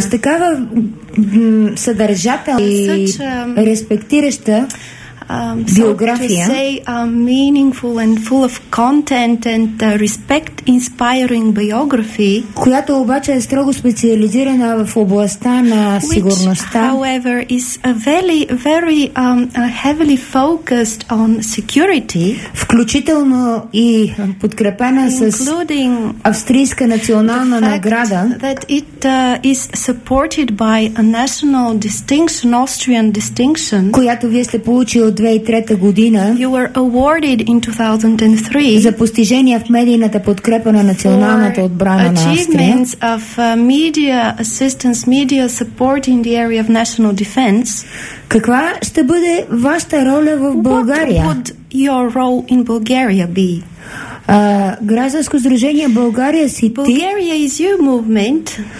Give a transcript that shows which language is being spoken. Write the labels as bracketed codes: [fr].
[bg] С такава съдържателна и респектираща биография, [en] so to say, meaningful and full of content and respect inspiring biography, [bg] която обаче е строго специализирана в областта на сигурността, [en] which, however, is a very, very heavily focused on security, [bg] включително и подкрепена с австрийска национална награда, [en] that it is supported by a national distinction, Austrian distinction, [bg] която вие сте получили от 2003 година. [en] You were awarded in 2003 [bg] за постижения в медийната подкрепа на националната отбрана на Австрия. [en] Achievements of media assistance, media support in the area of national defense. [bg] Каква ще бъде вашата роля в България? [en] What would your role in Bulgaria be? [bg] Гражданско сдружение България Сити. [en] Bulgaria is your movement.